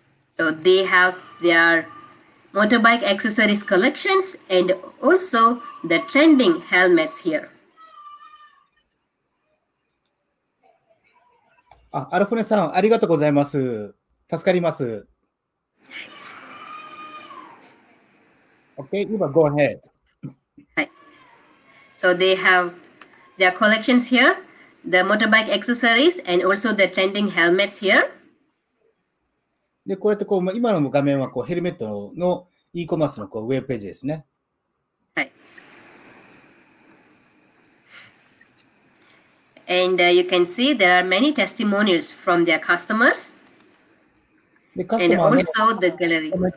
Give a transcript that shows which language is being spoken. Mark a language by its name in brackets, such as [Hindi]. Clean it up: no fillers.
[English] So they have their motorbike accessories collections and also the trending helmets here. [Japanese] アルフォネさん、ありがとうございます。助かります。 [English] Okay, Eva, go ahead. Hi. So they have their collections here, the motorbike accessories and also the trending helmets here. [Japanese] で、こうやってこう、今の画面はこうヘルメットの e コマースのこうウェブページですね。 [English] And you can see there are many testimonials from their customers. And also the gallery.